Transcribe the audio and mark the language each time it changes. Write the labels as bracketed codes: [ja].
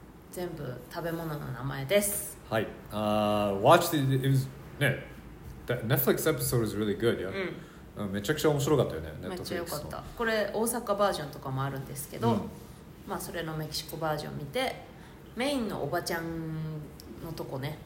[ja] 全部食べ物の名前です。 [en] はい。Watch the... It was... ね、that Netflix episode was really good, yeah?、 [ja] うん、めちゃくちゃ面白かったよね、 Netflix。めっちゃ良かった。これ大阪バージョンとかもあるんですけど、うん、まあそれのメキシコバージョン見て、メインのおばちゃんのとこね。